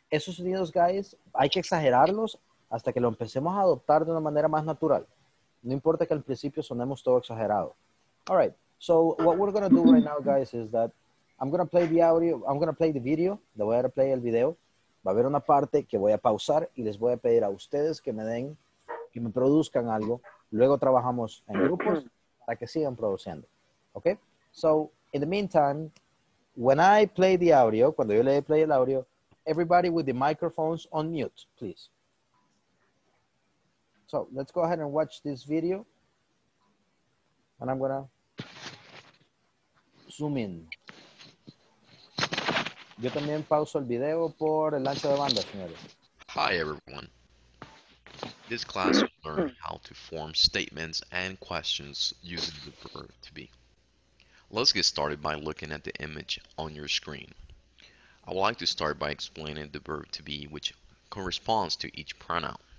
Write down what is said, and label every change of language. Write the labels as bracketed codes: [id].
[es] Esos sonidos, guys, hay que exagerarlos hasta que lo empecemos a adoptar de una manera más natural. No importa que al principio sonemos todo exagerado. [en] All right. So what we're going to do right now, guys, is that I'm going to play the audio. I'm going to play the video. [es] Le voy a dar play el video. Va a haber una parte que voy a pausar y les voy a pedir a ustedes que me den, que me produzcan algo. Luego trabajamos en grupos para que sigan produciendo. [en] Okay? So in the meantime, when I play the audio, [es] cuando yo le play el audio, [en] everybody with the microphones on mute, please. So let's go ahead and watch this video. And I'm going to zoom in. [es] Yo también pauso el video por el ancho de banda, señores. [en] Hi, everyone. This class will learn how to form statements and questions using the verb to be. Let's get started by looking at the image on your screen. I would like to start by explaining the verb to be, which corresponds to each pronoun.